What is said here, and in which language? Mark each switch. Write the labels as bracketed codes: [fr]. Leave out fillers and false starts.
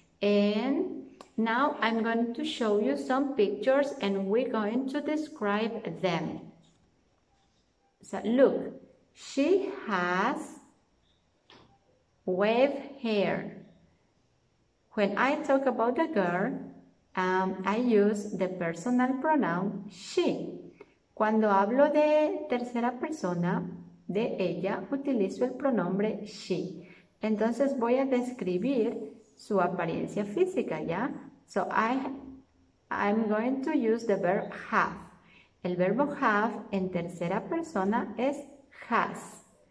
[en] And now I'm going to show you some pictures and we're going to describe them. So look, she has wave hair. When I talk about the girl, I use the personal pronoun she. [es] Cuando hablo de tercera persona, de ella, utilizo el pronombre she. Entonces voy a describir su apariencia física, ¿ya? [en] So I'm going to use the verb have. [es] El verbo have en tercera persona es has.